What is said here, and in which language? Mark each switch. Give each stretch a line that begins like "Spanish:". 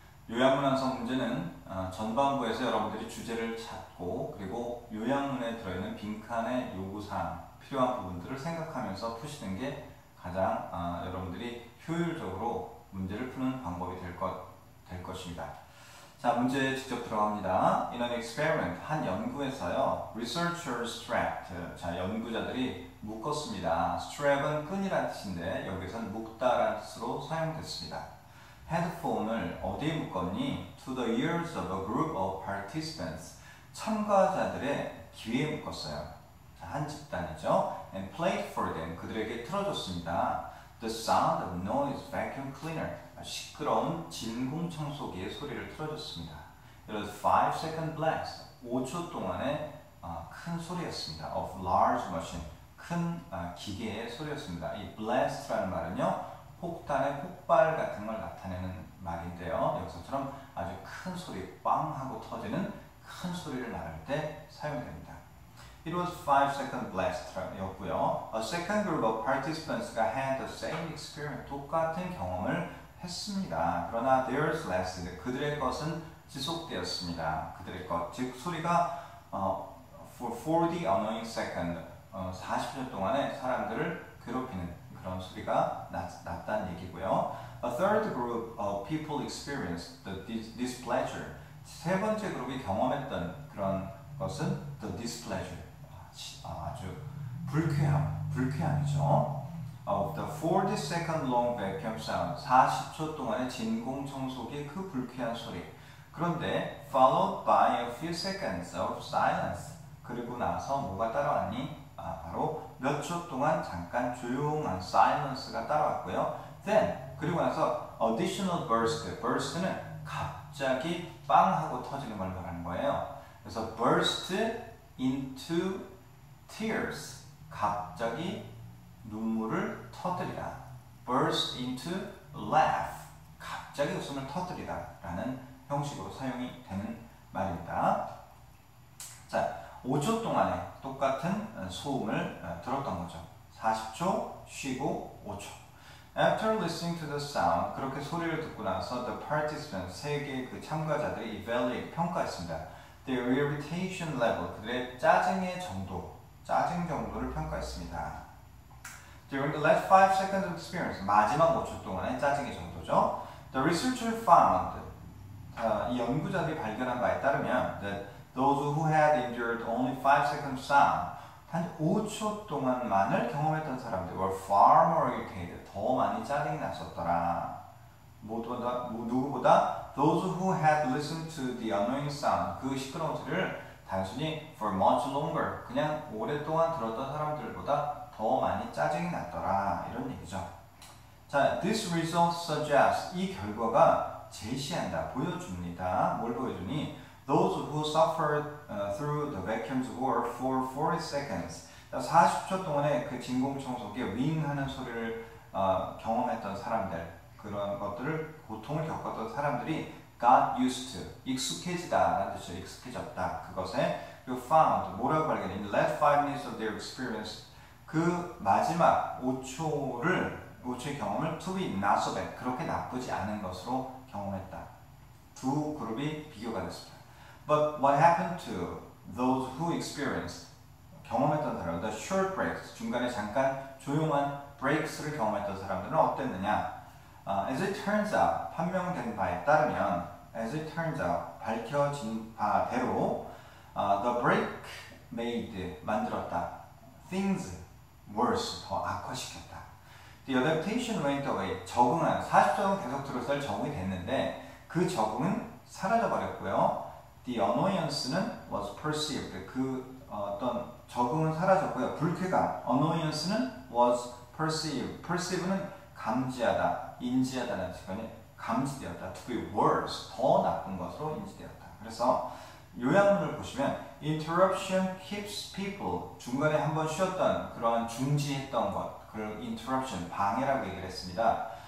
Korean: 요약문 완성 문제는 전반부에서 여러분들이 주제를 찾고 그리고 요약문에 들어있는 빈칸의 요구사항 필요한 부분들을 생각하면서 푸시는 게 가장 여러분들이 효율적으로 문제를 푸는 방법이 될 것입니다. 자, 문제에 직접 들어갑니다.
English: In an experiment,
Korean: 한 연구에서요.
English: Researchers strapped.
Korean: 자, 연구자들이 묶었습니다. Strap은 끈이라는 뜻인데 여기서는 묶다라는 뜻으로 사용됐습니다. Headphone을 어디에 묶었니?
English: To the ears of a group of participants.
Korean: 참가자들의 귀에 묶었어요. 자, 한 집단이죠.
English: And played for them.
Korean: 그들에게 틀어줬습니다.
English: The sound of noise vacuum cleaner.
Korean: 시끄러운 진공 청소기의 소리를 틀어줬습니다.
English: It was 5 second blast.
Korean: 5초 동안의 큰 소리였습니다.
English: Of large machine.
Korean: 큰 기계의 소리였습니다. 이 blast라는 말은요. 폭탄의 폭발 같은 걸 나타내는 말인데요. 여기서처럼 아주 큰 소리, 빵 하고 터지는 큰 소리를 나를 때 사용됩니다.
English: It was 5 second blast였고요. A second group of participants가 had the same experience.
Korean: 똑같은 경험을 했습니다. 그러나
English: theirs lasted.
Korean: 그들의 것은 지속되었습니다. 그들의 것. 즉 소리가
English: for 40 annoying seconds.
Korean: 40초 동안에 사람들을 괴롭히는 그런 소리가 났다는 얘기고요.
English: A third group of people experienced the displeasure.
Korean: 세 번째 그룹이 경험했던 그런 것은
English: the displeasure.
Korean: 아주 불쾌함. 불쾌함이죠.
English: Of the 40 second long vacuum sound,
Korean: 40초 동안의 진공 청소기의 그 불쾌한 소리. 그런데
English: followed by a few seconds of silence.
Korean: 그리고 나서 뭐가 따라왔니? 바로 몇 초 동안 잠깐 조용한 silence가 따라왔고요.
English: Then
Korean: 그리고 나서
English: additional burst.
Korean: Burst는 갑자기 빵 하고 터지는 걸 말하는 거예요. 그래서 burst into tears. 갑자기 눈물을 터뜨리다. Burst into laugh. 갑자기 웃음을 터뜨리다. 라는 형식으로 사용이 되는 말입니다. 자, 5초 동안에 똑같은 소음을 들었던 거죠. 40초 쉬고 5초.
English: After listening to the sound,
Korean: 그렇게 소리를 듣고 나서
English: the participants,
Korean: 세 개의 그 참가자들이 evaluate, 평가했습니다.
English: Their irritation level,
Korean: 그들의 짜증의 정도, 짜증 정도를 평가했습니다.
English: During the last 5 seconds of experience,
Korean: 마지막 5초 동안의 짜증의 정도죠.
English: The researcher found,
Korean: 이 연구자들이 발견한 바에 따르면
English: that those who had endured only 5 seconds of sound,
Korean: 단 5초 동안만을 경험했던 사람들
English: were far more irritated,
Korean: 더 많이 짜증이 났었더라. 누구보다
English: those who had listened to the annoying sound,
Korean: 그 시끄러운 소리를 단순히
English: for much longer,
Korean: 그냥 오랫동안 들었던 사람들보다 더 많이 짜증이 났더라 이런 얘기죠. 자,
English: this result suggests
Korean: 이 결과가 제시한다, 보여줍니다. 뭘 보여주니?
English: Those who suffered through the vacuum's roar for 40 seconds.
Korean: 40초 동안에 그 진공청소기 윙하는 소리를 경험했던 사람들, 그런 것들을 고통을 겪었던 사람들이
English: got used to,
Korean: 익숙해지다라는 뜻이죠. 익숙해졌다 그것에.
English: You found
Korean: 뭐라고 발견해?
English: In the last 5 minutes of their experience.
Korean: 그 마지막 5초의 경험을
English: to be not so bad,
Korean: 그렇게 나쁘지 않은 것으로 경험했다. 두 그룹이 비교가 됐습니다.
English: But what happened to those who experienced,
Korean: 경험했던 사람,
English: the short breaks,
Korean: 중간에 잠깐 조용한 breaks를 경험했던 사람들은 어땠느냐?
English: As it turns out,
Korean: 판명된 바에 따르면,
English: as it turns out,
Korean: 밝혀진 바대로,
English: the break made,
Korean: 만들었다,
English: things, worse,
Korean: 더 악화시켰다.
English: The adaptation went away.
Korean: 적응은 40초간 계속 들었을 적응이 됐는데 그 적응은 사라져버렸고요.
English: The annoyance는 was perceived.
Korean: 그 어떤 적응은 사라졌고요. 불쾌감,
English: annoyance는 was perceived.
Korean: Perceive는 감지하다, 인지하다는 뜻이거든요. 감지되었다,
English: to be worse,
Korean: 더 나쁜 것으로 인지되었다. 그래서 요약문을 보시면
English: Interruption keeps people
Korean: 중간에 한번 쉬었던 그런 중지했던 것 그런 Interruption 방해라고 얘기를 했습니다.